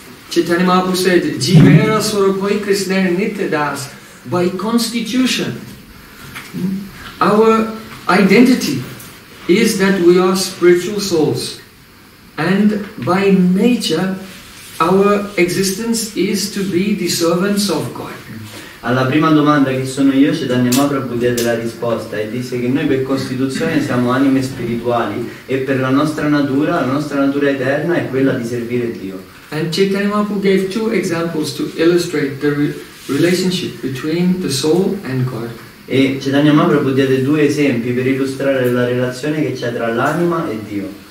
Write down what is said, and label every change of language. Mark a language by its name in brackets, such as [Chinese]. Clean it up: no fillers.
[English] Chaitanya Mahaprabhu said, [Bangla] Jivera Swarupai Krishna Nitya Das, [English] by constitution. Our identity is that we are spiritual souls. And by nature, our existence is to be the servants of God. [Italian] Alla prima domanda, chi sono io, Chaitanya Mahaprabhu diede la risposta e disse che noi per costituzione siamo anime spirituali e per la nostra natura eterna è quella di servire Dio. [English] And Chaitanya Mahaprabhu gave two examples to illustrate the relationship between the soul and God. [Italian] E Chaitanya Mahaprabhu diede due esempi per illustrare la relazione che c'è tra l'anima e Dio.